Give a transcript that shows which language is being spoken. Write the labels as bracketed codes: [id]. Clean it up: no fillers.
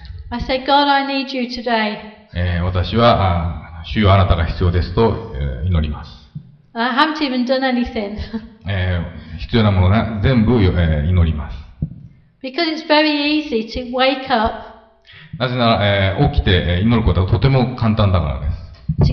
[en] I say, God, I need you today. [ja] 私は、主よあなたが必要ですと、祈ります。 [en] I haven't even done anything. [ja] 必要なものが全部、祈ります。 [en] Because it's very easy to wake up. [ja] なぜなら、起きて祈ることはとても簡単だからです。